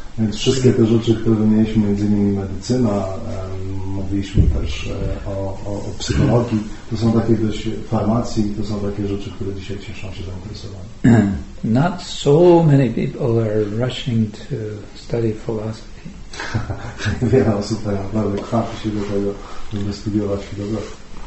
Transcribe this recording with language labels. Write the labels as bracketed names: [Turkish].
[Polish] Więc wszystkie te rzeczy, które wymieniliśmy, między innymi medycyna, mówiliśmy też o psychologii, to są takie dość farmacji, to są takie rzeczy, które dzisiaj cieszą się zainteresowaniem. [English] Not so many people are rushing to study philosophy. [Polish] Wiele osób tak naprawdę kwapi się do tego, żeby studiować filozofię.